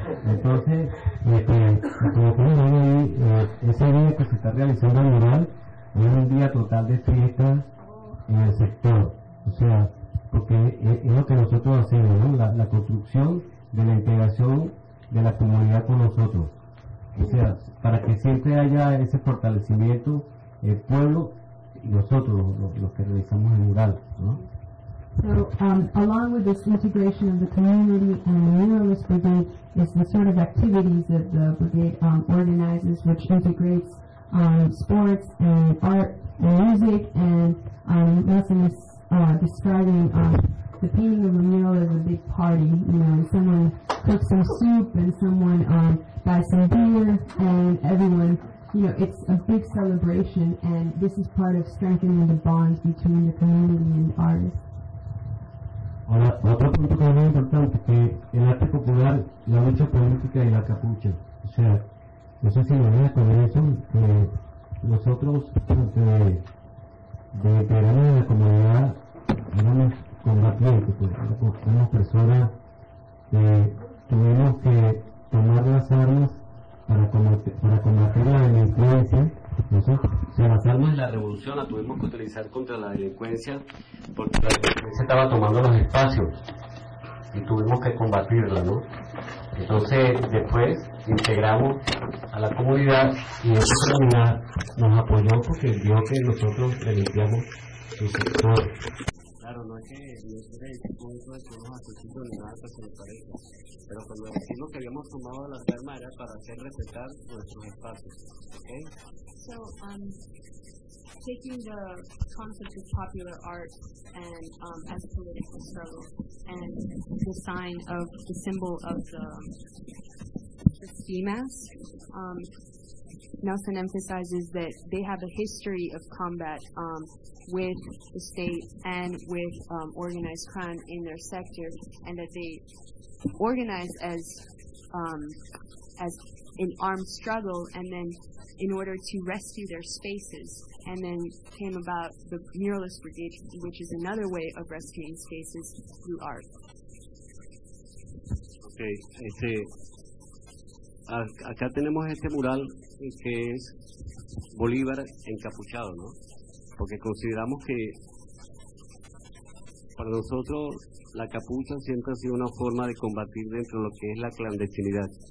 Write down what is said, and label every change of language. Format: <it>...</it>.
<es>Entonces, como pueden ver ahí, ese día que se está realizando el mural es un día total de fiesta en el sector, o sea, porque es lo que nosotros hacemos, ¿no? La construcción de la integración de la comunidad con nosotros. O sea, para que siempre haya ese fortalecimiento, el pueblo y nosotros, los que realizamos el mural, ¿no?</es> <en>So, along with this integration of the community and the muralist brigade is the sort of activities that the brigade organizes, which integrates sports and art and music, and Nelson is describing the painting of a mural as a big party. You know, someone cooks some soup and someone buys some beer and everyone, you know, it's a big celebration, and this is part of strengthening the bonds between the community and the artists.</en> <es>Ahora, otro punto que es muy importante, que el arte popular, la lucha política y la capucha. O sea, no sé si me voy a acordar eso, que nosotros, de integrantes de la comunidad, éramos combatientes, pues, éramos personas que tuvimos que tomar las armas para combatir la delincuencia. Las armas de la revolución las tuvimos que utilizar contra la delincuencia, porque la delincuencia estaba tomando los espacios y tuvimos que combatirla, ¿no? Entonces después integramos a la comunidad y esa comunidad nos apoyó porque vio que nosotros le limpiamos su sector. Claro, no es que Dios era el tipo de que nos asesinó ni nada que se le parezca, pero cuando decimos que habíamos tomado las armas era para hacer respetar nuestros espacios, ¿ok?</es> <en>So, taking the concept of popular art and as a political struggle, and the sign of the symbol of the ski mask, Nelson emphasizes that they have a history of combat with the state and with organized crime in their sector, and that they organize as an armed struggle, and then in order to rescue their spaces, and then came about the muralist brigade, which is another way of rescuing spaces through art.</en> <es>Okay, acá tenemos este mural que es Bolívar encapuchado, ¿no? Porque consideramos que para nosotros la capucha siempre ha sido una forma de combatir dentro de lo que es la clandestinidad.</es>